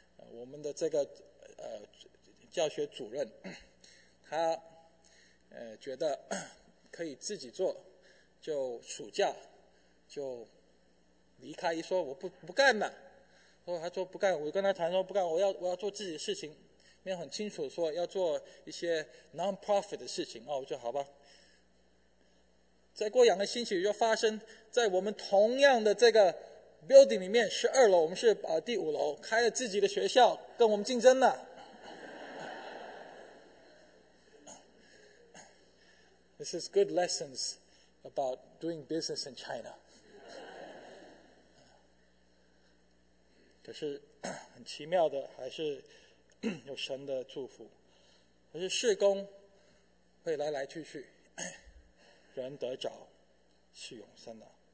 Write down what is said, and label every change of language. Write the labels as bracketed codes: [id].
[zh] 我们的这个教学主任，他觉得可以自己做，就暑假就离开，一说我不干了，说他说不干，我跟他谈说不干，我要做自己的事情，没有很清楚说要做一些 non-profit 的事情哦，我就好吧。再过两个星期就发生在我们同样的这个building 里面，12楼，我们是第5楼，开了自己的学校，跟我们竞争了。 [en] This is good lessons about doing business in China. [zh] 可是很奇妙的，还是有神的祝福。可是事工会来来去去，人得着是永生的。